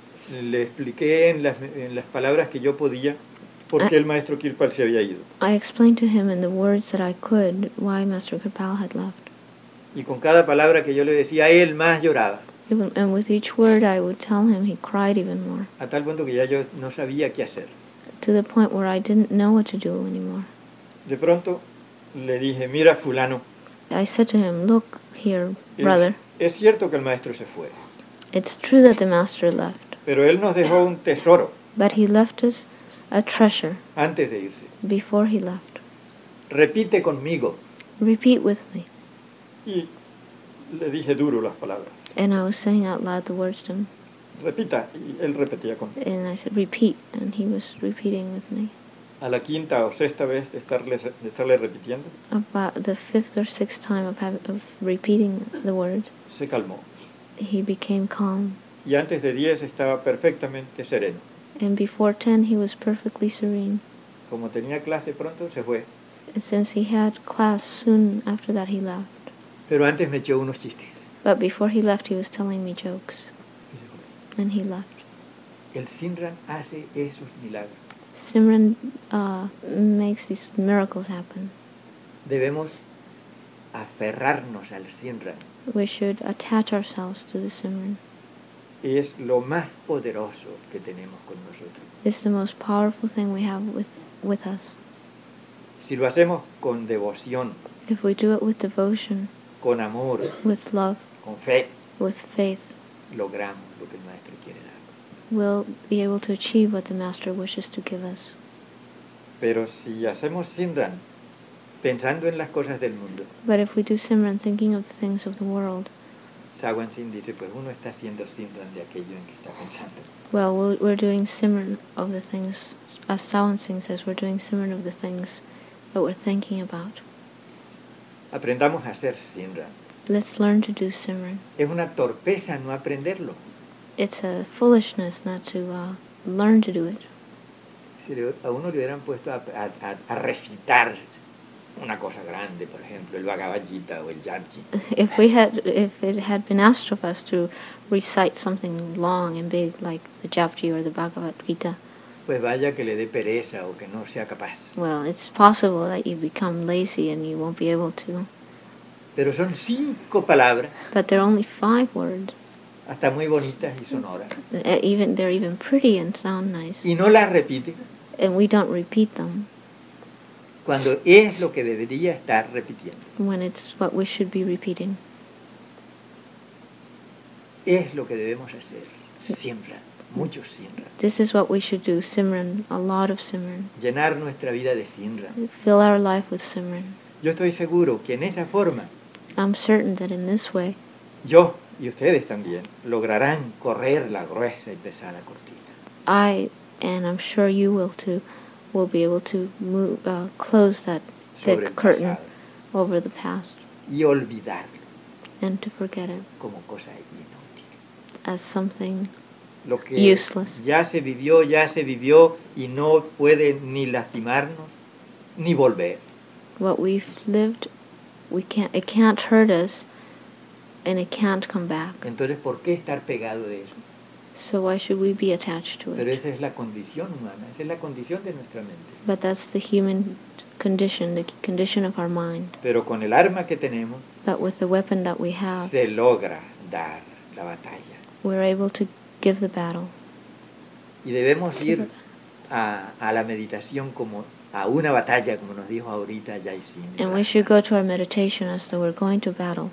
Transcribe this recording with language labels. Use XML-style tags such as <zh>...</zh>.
<es>Le expliqué en las palabras que yo podía por qué el maestro Kirpal se había ido.</es> <en>I explained to him in the words that I could why Master Kirpal had left.</en> <es>Y con cada palabra que yo le decía, él más lloraba.</es> <en>And with each word I would tell him, he cried even more.</en> <es>A tal punto que ya yo no sabía qué hacer.</es> <en>To the point where I didn't know what to do anymore.</en> <es>De pronto le dije, mira fulano.</es> <en>I said to him, look here, brother.</en> <es>Es cierto que el maestro se fue.</es> <en>It's true that the master left.</en> <es>Pero él nos dejó un tesoro.</es> <en>But he left us a treasure.</en> <es>Antes de irse.</es> <en>Before he left.</en> <es>Repite conmigo.</es> <en>Repeat with me.</en> <es>Y le dije duro las palabras.</es> <en>And I was saying out loud the words to him.</en> <es>Repita, y él repetía conmigo.</es> <en>And I said, repeat, and he was repeating with me.</en> <es>A la quinta o sexta vez de estarle repitiendo.</es> <en>About the fifth or sixth time of repeating the words.</en> <es>Se calmó.</es> <en>He became calm.</en> <es>Y antes de 10 estaba perfectamente sereno.</es> <en>And before 10 he was perfectly serene.</en> <es>Como tenía clase pronto, se fue.</es> <en>And since he had class soon after that, he left.</en> <es>Pero antes me echó unos chistes.</es> <en>But before he left, he was telling me jokes. And he left.</en> <es>El Simran hace esos milagros.</es> <en>Simran makes these miracles happen.</en> <es>Debemos aferrarnos al Simran.</es> <en>We should attach ourselves to the Simran.</en> <es>Es lo más poderoso que tenemos con nosotros.</es> <en>It's the most powerful thing we have with us.</en> <es>Si lo hacemos con devoción.</es> <en>If we do it with devotion.</en> <es>Con amor.</es> <en>With love.</en> <es>Con fe.</es> <en>With faith.</en> <es>Logramos lo que el maestro quiere dar.</es> <en>We'll be able to achieve what the master wishes to give us.</en> <es>Pero si hacemos Simran pensando en las cosas del mundo.</es> <en>But if we do Simran thinking of the things of the world.</en> <es>Sawan Singh dice, pues uno está haciendo Simran de aquello en que está pensando.</es> <en>Well, we're doing Simran of the things, as Sawan Singh says, we're doing Simran of the things that we're thinking about.</en> <es>Aprendamos a hacer Simran.</es> <en>Let's learn to do Simran.</en> <es>Es una torpeza no aprenderlo.</es> <en>It's a foolishness not to learn to do it.</en> <es>Si a uno le hubieran puesto a recitar una cosa grande, por ejemplo, el Bhagavad Gita o el Janji.</es> <en>If it had been asked of us to recite something long and big like the Japji or the Bhagavad Gita.</en> <es>Pues vaya que le dé pereza o que no sea capaz.</es> <en>Well, it's possible that you become lazy and you won't be able to.</en> <es>Pero son 5 palabras.</es> <en>But they're only 5 words.</en> <es>Hasta muy bonitas y sonoras.</es> <en>They're even pretty and sound nice.</en> <es>Y no las repite.</es> <en>And we don't repeat them.</en> <es>Cuando es lo que debería estar repitiendo.</es> <en>When it's what we should be repeating.</en> <es>Es lo que debemos hacer. Simran. Mucho Simran.</es> <en>This is what we should do. Simran. A lot of Simran.</en> <es>Llenar nuestra vida de Simran.</es> <en>Fill our life with Simran.</en> <es>Yo estoy seguro que en esa forma.</es> <en>I'm certain that in this way.</en> <es>Yo y ustedes también lograrán correr la gruesa y pesada cortina.</es> <en>I and I'm sure you will too. Will be able to move, close that thick curtain over the past.</en> <es>Y olvidarlo.</es> <en>And to forget it.</en> <es>Como cosa inútil.</es> <en>As something</en> <es>lo que</es> <en>useless.</en> <es>Ya se vivió y no puede ni lastimarnos ni volver.</es> <en>What we've lived, it can't hurt us, and it can't come back.</en> <es>Entonces, ¿por qué estar pegado de eso?</es> <en>So why should we be attached to it?</en> <es>Pero esa es la condición humana, esa es la condición de nuestra mente.</es> <en>But that's the human condition, the condition of our mind.</en> <es>Pero con el arma que tenemos,</es> <en>but with the weapon that we have,</en> <es>se logra dar la batalla.</es> <en>We're able to give the battle.</en> <es>Y debemos ir a la meditación como a una batalla, como nos dijo ahorita Jai Singh.</es> <en>And we should go to our meditation as though we're going to battle.</en>